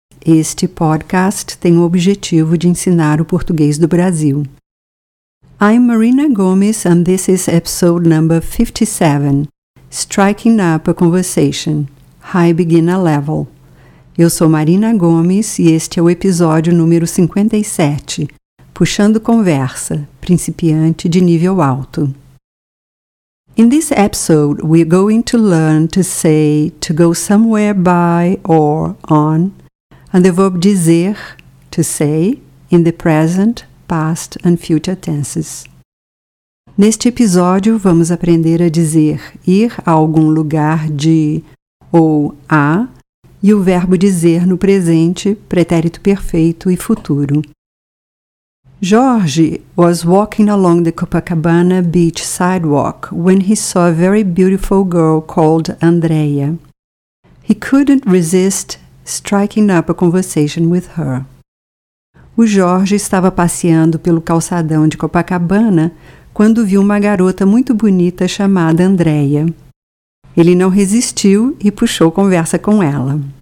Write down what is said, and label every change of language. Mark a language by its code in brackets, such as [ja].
[pt] Este podcast tem o objetivo de ensinar o português do Brasil. [en] I'm Marina Gomes and this is episode number 57, Striking Up a Conversation, High Beginner Level. [pt] Eu sou Marina Gomes e este é o episódio número 57, Puxando Conversa, Principiante de Nível Alto. [en] In this episode, we're going to learn to say to go somewhere by or on, and the verb dizer, to say, in the present, past and future tenses. [pt] Neste episódio, vamos aprender a dizer ir a algum lugar de ou a e o verbo dizer no presente, pretérito perfeito e futuro. [en] Jorge was walking along the Copacabana beach sidewalk when he saw a very beautiful girl called Andrea. He couldn't resist striking up a conversation with her. [pt] O Jorge estava passeando pelo calçadão de Copacabana quando viu uma garota muito bonita chamada Andrea. Ele não resistiu e puxou conversa com ela.